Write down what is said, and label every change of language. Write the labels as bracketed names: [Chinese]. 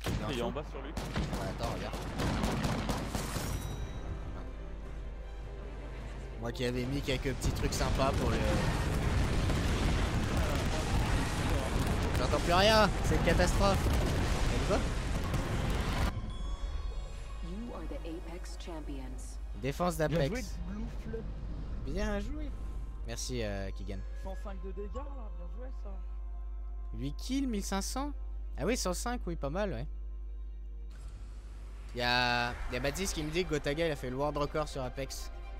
[French] Il est en bas sur lui. Ouais, attends, regarde. Moi qui avais mis quelques petits trucs sympas pour le. J'entends plus rien, c'est une catastrophe. [English] You are the Apex Champions. [French] Défense d'Apex. Bien joué. Merci Kigan. 105 de dégâts là, bien joué ça. 8 kills, 1500. Ah oui, 105, oui, pas mal, ouais. Y'a Baptiste qui me dit que Gotaga il a fait le world record sur Apex.